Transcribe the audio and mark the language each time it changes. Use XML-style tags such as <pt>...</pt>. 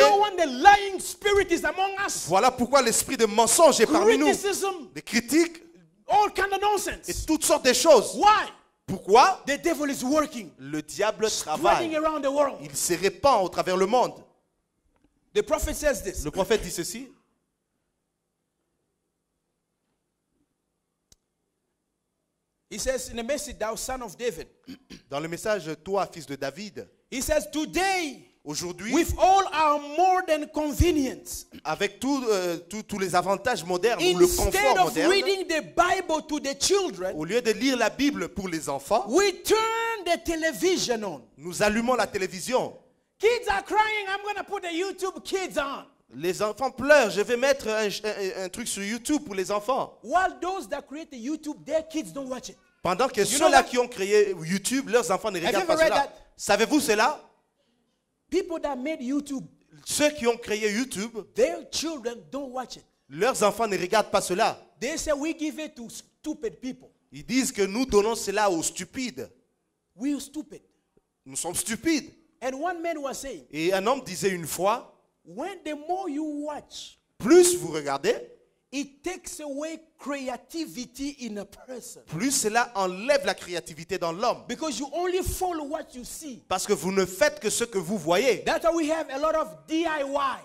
<en>No one, the lying spirit is among us.</en> <fr>Voilà pourquoi l'esprit de mensonge est parmi nous.</fr> <en>Criticism,</en> <fr>des critiques</fr> <en>all kind of nonsense.</en> <fr>Et toutes sortes de choses.</fr> <en>Why?</en> <fr>Pourquoi?</fr> <en>The devil is working.</en> <fr>Le diable travaille.</fr> <en>The world.</en> <fr>Il se répand au travers le monde.</fr> <en>The prophet says this.</en> <fr>Le prophète dit ceci.</fr> <en>He says in the message, thou son of David.</en> <fr>Dans le message, toi fils de David.</fr> <en>He says today.</en> <fr>Aujourd'hui.</fr> <en>With all our modern convenience.</en> <fr>Avec tous les avantages modernes</fr> <en>instead</en> <fr>ou le confort moderne.</fr> <en>Instead of reading the Bible to the children.</en> <fr>Au lieu de lire la Bible pour les enfants.</fr> <en>We turn the television on.</en> <fr>Nous allumons la télévision.</fr> <en>Kids are crying. I'm going to put the YouTube kids on.</en> <fr>Les enfants pleurent. Je vais mettre un truc sur YouTube pour les enfants.</fr> <en>While those that create the YouTube, their kids don't watch it.</en> <fr>Pendant que ceux-là qui ont créé YouTube, leurs enfants ne regardent pas cela.</fr> <en>That?</en> <fr>Savez-vous cela?</fr> <en>People that made YouTube,</en> <fr>ceux qui ont créé YouTube,</fr> <en>their children don't watch it.</en> <fr>Leurs enfants ne regardent pas cela.</fr> <en>They say we give it to stupid people.</en> <fr>Ils disent que nous donnons cela aux stupides.</fr> <en>We are stupid.</en> <fr>Nous sommes stupides.</fr> <en>And one man was saying,</en> <fr>et un homme disait une fois,</fr> <en>when the more you watch,</en> <fr>plus vous regardez,</fr> <en>it takes away creativity in a person.</en> <fr>Plus cela enlève la créativité dans l'homme.</fr> <en>Because you only follow what you see.</en> <fr>Parce que vous ne faites que ce que vous voyez.</fr> <en>That's why we have a lot of DIY.</en>